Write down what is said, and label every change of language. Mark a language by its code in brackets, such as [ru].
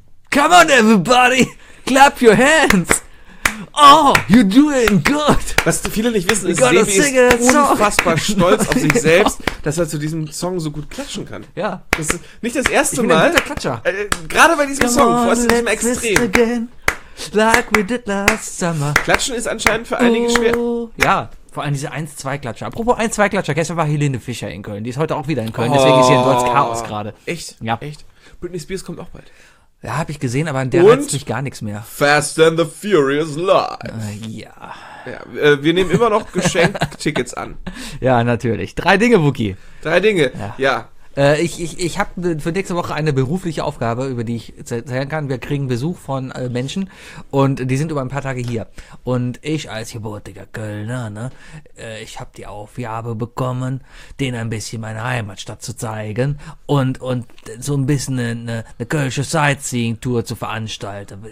[en] Come on, everybody, clap your hands. Oh, you're doing good. [de] Was viele nicht wissen, ist, Sebi ist unfassbar stolz auf sich selbst, dass er zu diesem Song so gut klatschen kann. Ja. Das ist nicht das erste Mal. Ich bin ein guter Klatscher. Gerade bei diesem Song, vor allem in diesem Extrem. [en] Again, like we did last summer. [de] Klatschen ist anscheinend für einige schwer. Ja, vor allem diese 1-2-Klatscher. Apropos 1-2-Klatscher, gestern war Helene Fischer in Köln. Die ist heute auch wieder in Köln, deswegen ist hier ein dort Chaos gerade. Echt? Ja. Echt? Britney Spears kommt auch bald. Ja, habe ich gesehen, aber an der heizt sich gar nichts mehr. Fast and the Furious Live. Ja. Ja, wir nehmen immer noch Geschenktickets an. Ja, natürlich. 3 Dinge, Wookie. 3 Dinge, ja. Ich habe für nächste Woche eine berufliche Aufgabe, über die ich erzählen kann. Wir kriegen Besuch von Menschen und die sind über ein paar Tage hier. Und ich als gebürtiger Kölner, ne, ich habe die Aufgabe bekommen, denen ein bisschen meine Heimatstadt zu zeigen und so ein bisschen eine kölsche Sightseeing-Tour zu veranstalten.